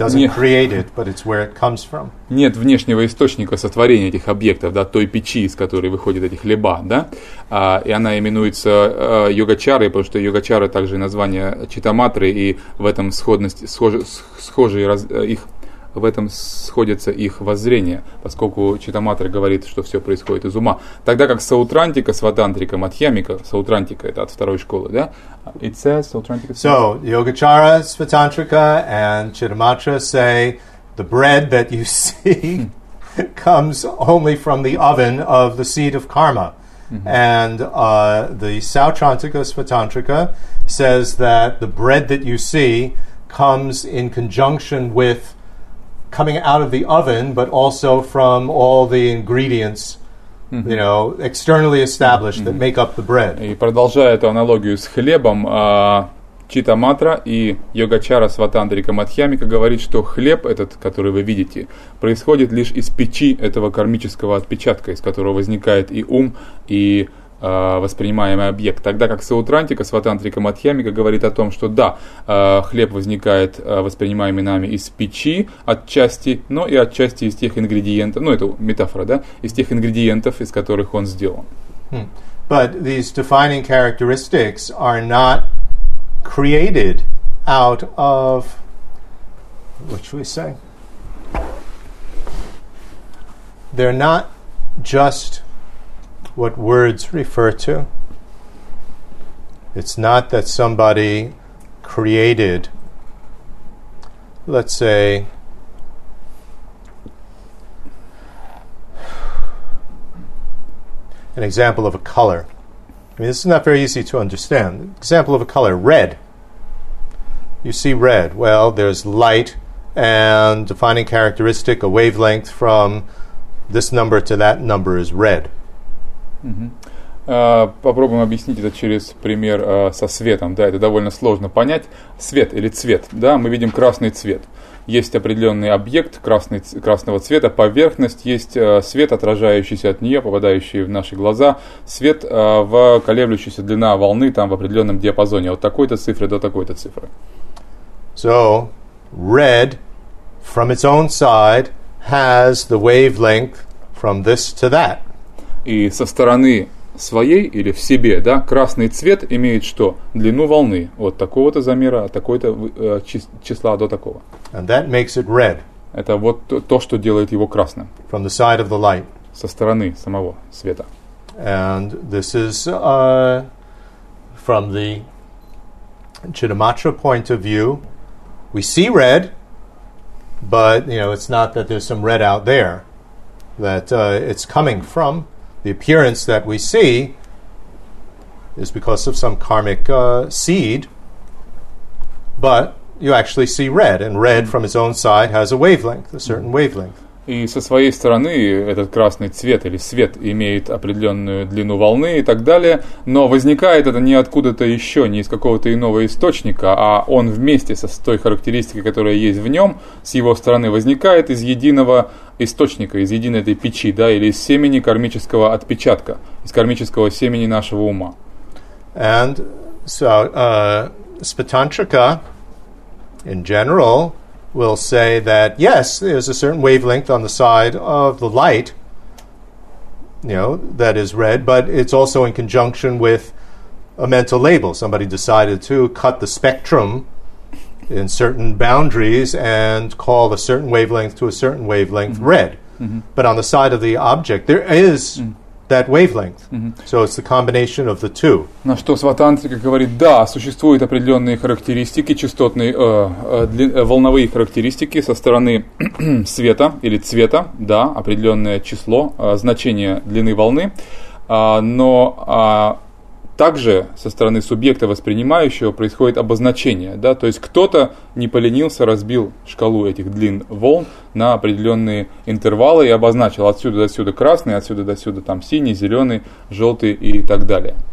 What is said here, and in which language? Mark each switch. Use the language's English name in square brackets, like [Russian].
[English] doesn't create it, but it's where it comes from. [Russian] Нет внешнего источника сотворения этих объектов, да, той печи, из которой выходят эти хлеба, да, и она именуется йогачарой, потому что йогачара также название читаматры, и в этом сходятся их воззрения, поскольку читаматра говорит, что все происходит из ума. Тогда как саутрантика, сватантрика, мадхьямика, саутрантика это от второй школы, да? [English] It says саутрантика. So Yogacara, Сватантрика and Читаматра say the bread that you see comes only from the oven of the seed of karma, mm-hmm. and the саутрантрика, Сватантрика says that the bread that you see comes in conjunction with coming out of the oven, but also from all the ingredients, mm-hmm. you know, externally established mm-hmm. that make up the bread. [Russian] И продолжая эту аналогию с хлебом, Читаматра и Йогачара Сватантрика Мадхьямика говорит, что хлеб этот, который вы видите, происходит лишь из печи этого кармического отпечатка, из которого возникает и ум, и воспринимаемый объект. Тогда как Саутрантика, Сватантрика Мадхьямика говорит о том, что да, хлеб возникает воспринимаемый нами из печи отчасти, но и отчасти из тех ингредиентов, ну это метафора, да, из тех ингредиентов, из которых он сделан. [English] But these defining characteristics are not created out of, what should we say? They're not just what words refer to. It's not that somebody created, let's say, an example of a color. I mean, this is not very easy to understand. Example of a color, red. You see red. Well, there's light and defining characteristic, a wavelength from this number to that number is red. [Russian] Попробуем объяснить это через пример со светом. Да, это довольно сложно понять. Свет или цвет, да, мы видим красный цвет. Есть определенный объект красного цвета, поверхность, есть свет, отражающийся от нее, попадающий в наши глаза. Свет в колеблющейся длина волны там в определенном диапазоне, от такой-то цифры до такой-то цифры. [English] So, red from its own side has the wavelength from this to that. [Russian] И со стороны своей или в себе, да, красный цвет имеет что? Длину волны от такого-то замера, от такого-то числа до такого. [English] And that makes it red. [Russian] Это вот то, что делает его красным. [English] From the side of the light. [Russian] Со стороны самого света. [English] And this is from the Chittamatra point of view. We see red, but, you know, it's not that there's some red out there. That it's coming from. The appearance that we see is because of some karmic seed, but you actually see red, and red from its own side has a wavelength, a certain wavelength. [Russian] И со своей стороны этот красный цвет или свет имеет определенную длину волны и так далее, но возникает это не откуда-то еще, не из какого-то иного источника, а он вместе со той характеристикой, которая есть в нем, с его стороны возникает из единого источника, из единой этой печи, да, или из семени кармического отпечатка, из кармического семени нашего ума. [English] And so, Spatantrika, in general, will say that yes, there's a certain wavelength on the side of the light, you know, that is red, but it's also in conjunction with a mental label. Somebody decided to cut the spectrum in certain boundaries and call a certain wavelength to a certain wavelength mm-hmm. red. Mm-hmm. But on the side of the object, there is that wavelength. Mm-hmm. So it's the combination of the two. [Russian] На что Сватантрика говорит, да, существуют определенные характеристики, частотные, волновые характеристики со стороны света или цвета, да, определенное число, значение длины волны, но также со стороны субъекта воспринимающего происходит обозначение, да, то есть кто-то не поленился, разбил шкалу этих длин волн на определенные интервалы и обозначил отсюда до сюда красный, отсюда до сюда там синий, зеленый, желтый и так далее.